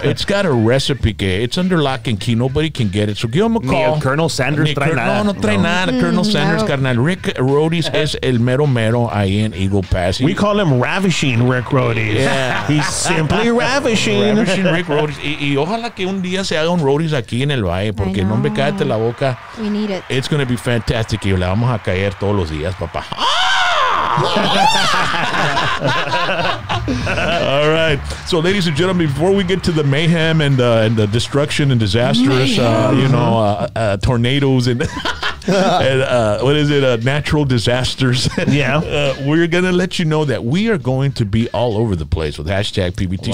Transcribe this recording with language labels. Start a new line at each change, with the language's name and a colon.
English: It's got a recipe, que it's under lock and key. Nobody can get it. So give him a call.
Spanish: Ni Colonel Sanders trae nada. No, no trae nada. Colonel Sanders, carnal. Rick Rhodey's es el mero mero ahí en Eagle Pass.
English: We call him Ravishing Rick Rhodey's. Yeah. He's simply Ravishing. Ravishing Rick Rhodey's.
Spanish: Y ojalá que un día se haga un Rhodey's aquí en el Valle, porque no me cállate la boca.
English: We need it. It's going to be fantastic.
Spanish: Y le vamos a caer todos los días, papá.
English: All right. So, ladies and gentlemen, before we get to the mayhem and the destruction and disastrous, tornadoes and, and what is it, natural disasters. Yeah. We're going to let you know that we are going to be all over the place with Hashtag PBT. Wow.